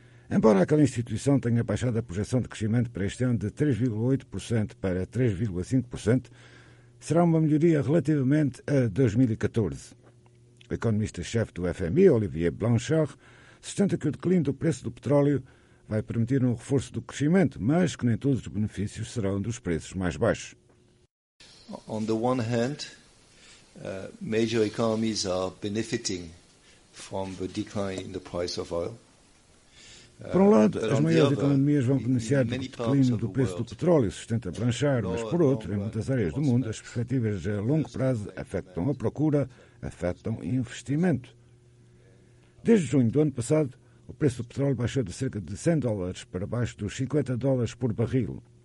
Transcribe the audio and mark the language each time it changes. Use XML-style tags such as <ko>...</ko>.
<pt>Embora aquela instituição tenha baixado a projeção de crescimento para este ano de 3,8% para 3,5%, será uma melhoria relativamente a 2014. O economista-chefe do FMI, Olivier Blanchard, sustenta que o declínio do preço do petróleo vai permitir um reforço do crescimento, mas que nem todos os benefícios serão dos preços mais baixos.</pt> <en>On the one hand, major economies are benefiting from the decline in the price of oil.</en> <pt>Por um lado, as maiores economias vão beneficiar do declínio do preço do petróleo, sustenta Blanchard, mas por outro, em muitas áreas do mundo, as perspectivas a longo prazo afetam a procura, afetam o investimento. Desde junho do ano passado, o preço do petróleo baixou de cerca de 100 dólares para baixo dos 50 dólares por barril.</pt>